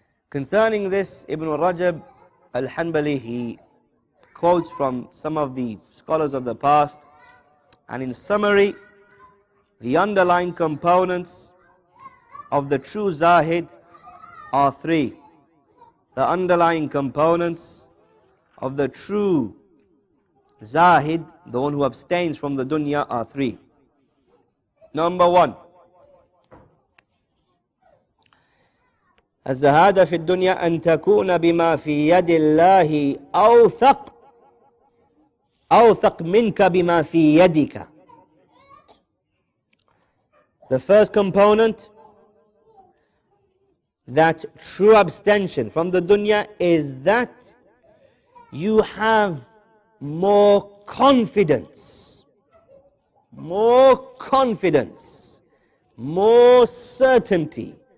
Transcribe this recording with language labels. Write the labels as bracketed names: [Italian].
[English] Concerning this, Ibn Rajab al-Hanbali, he quotes from some of the scholars of the past, and in summary, the underlying components of the true Zahid are three. The underlying components of the true Zahid, the one who abstains from the dunya, are three. Number one, [Arabic] الزهادة في الدنيا أن تكون بما في يد الله أوثق أوثق منك بما في يدك. [English] The first component, that true abstention from the dunya, is that you have more confidence, more certainty